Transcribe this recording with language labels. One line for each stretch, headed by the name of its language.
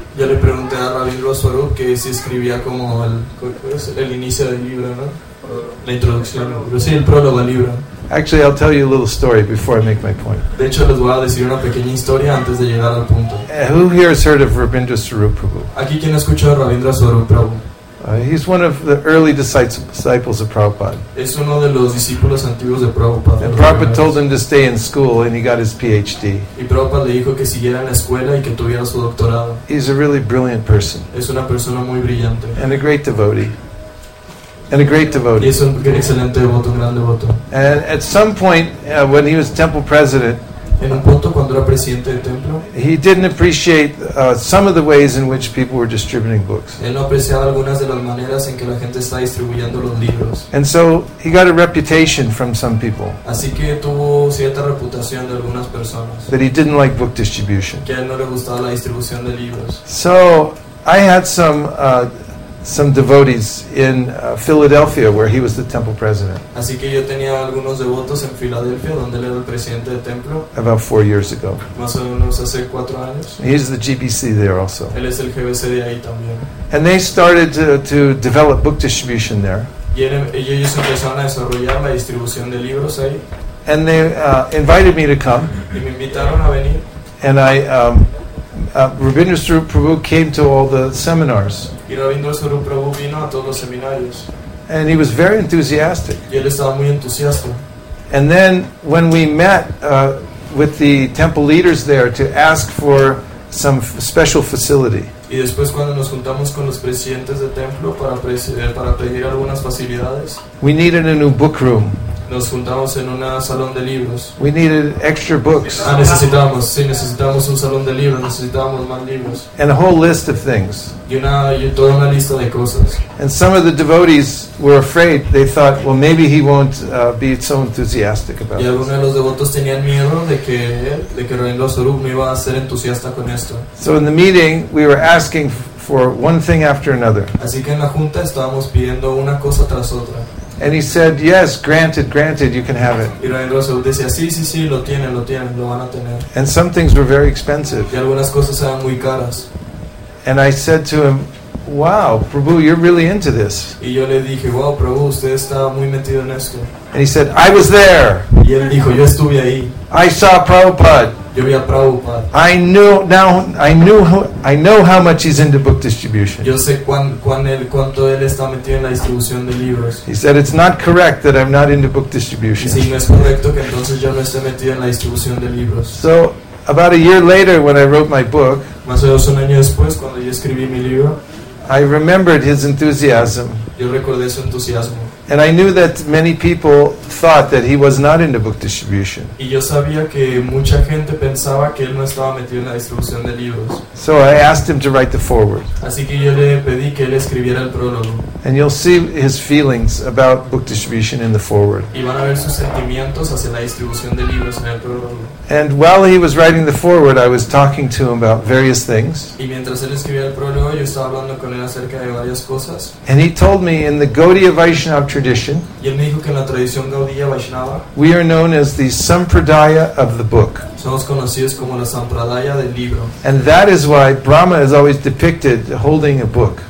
Spanish: Yo le pregunté a Rabindra Swarup que si escribía como el inicio del libro, ¿no? La introducción, pero sí, el prólogo al libro.
English: Actually, I'll tell you a little story before I make my point.
Spanish: De hecho, les voy a decir una pequeña historia antes de llegar al punto.
English: Who here has heard of Rabindra Swarup Prabhu?
Spanish: Aquí, ¿quién ha escuchado a Rabindra Swarup Prabhu?
English: He's one of the early disciples of Prabhupada.
Spanish: Es uno de los discípulos antiguos de Prabhupada.
English: And Prabhupada told him to stay in school, and he got his PhD.
Spanish: Y Prabhupada le dijo que siguiera en la escuela y que tuviera su doctorado.
English: He's a really brilliant person.
Spanish: Es una persona muy brillante.
English: And a great devotee. And a great devotee.
Spanish: Y es un excelente devoto, un gran devoto.
English: And at some point, when he was temple president,
Spanish: en un punto, cuando era presidente del templo,
English: he didn't appreciate some of the ways in which people were distributing books.
Spanish: Él no apreciaba algunas de las maneras en que la gente está distribuyendo los libros.
English: And so he got a reputation from some people.
Spanish: Así que tuvo cierta reputación de algunas personas.
English: That he didn't like book distribution.
Spanish: Que a él no le gustaba la distribución de libros.
English: So I had some devotees in Philadelphia where he was the temple president.
Spanish: Así que yo tenía algunos devotos en Filadelfia donde él era el presidente del templo.
English: About 4 years ago.
Spanish: Más o menos hace 4 años.
English: He's the GBC there also.
Spanish: Él es el GBC de ahí también.
English: And they started to develop book distribution there.
Spanish: Y ellos empezaron a desarrollar la distribución de libros ahí.
English: And they invited me to come.
Spanish: Y me invitaron a venir.
English: And I Rabindra Swarup Prabhu came to all the seminars.
Spanish: Y Rabindra Swarup Prabhu vino a todos los seminarios.
English: And he was very enthusiastic.
Spanish: Y él estaba muy entusiasta.
English: And then when we met with the temple leaders there to ask for some special facility.
Spanish: Y después cuando nos juntamos con los presidentes de templo para pedir algunas facilidades.
English: We needed a new book room.
Spanish: Nos juntamos en un salón de libros.
English: We needed extra books.
Spanish: Ah, necesitamos, sí, necesitamos un salón de libros, necesitamos más libros.
English: And a whole list of things.
Spanish: Y toda una lista de cosas.
English: And some of the devotees were afraid. They thought, well, maybe he won't be so enthusiastic about it.
Spanish: Y algunos de los devotos tenían miedo de que Rabindra Swarup no iba a ser entusiasta con esto.
English: So in the meeting, we were asking for one thing after another.
Spanish: Así que en la junta estábamos pidiendo una cosa tras otra.
English: And he said, yes, granted, you can have it.
Spanish: Y Rabindra Swarup decía, sí, lo tienen, lo van a tener.
English: And some things were very expensive.
Spanish: Y algunas cosas eran muy caras.
English: And I said to him, wow, Prabhu, you're really into this.
Spanish: Y yo le dije, wow, Prabhu, usted está muy metido en esto.
English: And he said, I was there.
Spanish: Y él dijo, yo estuve ahí.
English: I saw Prabhupada.
Spanish: Yo vi a Prabhupada.
English: I know how much he's into book distribution.
Spanish: Yo sé cuánto él está metido en la distribución de libros.
English: He said it's not correct that I'm not into book distribution.
Spanish: Sí, no es correcto que entonces yo no esté metido en la distribución de libros.
English: So about a year later when I wrote my book,
Spanish: más o menos un año después cuando yo escribí mi libro,
English: I remembered his enthusiasm.
Spanish: Yo recordé su entusiasmo.
English: And I knew that many people thought that he was not into book distribution.
Spanish: Y yo sabía que mucha gente pensaba que él no estaba metido en la distribución de libros.
English: So I asked him to write the foreword.
Spanish: Así que yo le pedí que él escribiera el prólogo.
English: And you'll see his feelings about book distribution in the foreword.
Spanish: Y van a ver sus sentimientos hacia la distribución de libros en el prólogo.
English: And while he was writing the foreword, I was talking to him about various things.
Spanish: Y mientras él escribía el prólogo, yo estaba hablando con él acerca de varias cosas.
English: And he told me in the Gaudiya Vaishnava tradition,
Spanish: y él me dijo que en la tradición Gaudiya Vaishnava,
English: we are known as the Sampradaya of the book.
Spanish: Somos conocidos como la Sampradaya del libro.
English: And that is why Brahma is always depicted holding a book.